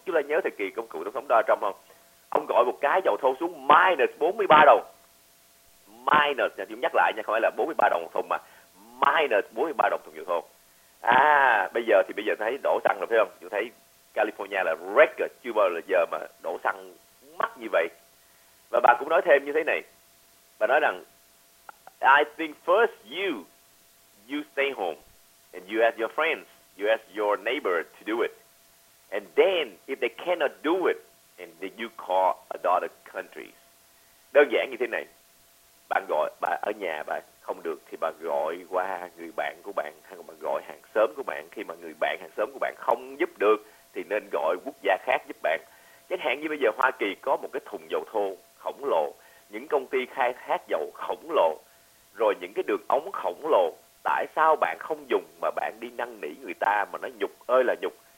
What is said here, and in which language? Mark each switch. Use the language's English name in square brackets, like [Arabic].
[Vietnamese] Chúng ta nhớ thời kỳ công cụ tổng thống Donald Trump không? Ông gọi một cái dầu thô xuống -$43, minus, nhà chúng nhắc lại nha, không phải là 43 đồng một thùng mà -$43 thùng dầu thô. À, bây giờ thấy đổ xăng rồi phải không? Chúng thấy California là record, chưa bao giờ mà đổ xăng mắc như vậy. Và bà cũng nói thêm như thế này, bà nói rằng [English] I think first you stay home and you ask your friends, you ask your neighbor to do it, and then if they cannot do it, and then you call another countries. [Vietnamese] Đơn giản như thế này, bạn gọi, bà ở nhà bà không được thì bà gọi qua người bạn của bạn, hay là bà gọi hàng xóm của bạn. Khi mà người bạn hàng xóm của bạn không giúp được thì nên gọi quốc gia khác giúp bạn. Chẳng hạn như bây giờ Hoa Kỳ có một cái thùng dầu thô khổng lồ, những công ty khai thác dầu khổng lồ, rồi những cái đường ống khổng lồ, tại sao bạn không dùng mà bạn đi năn nỉ người ta mà nói nhục ơi là nhục?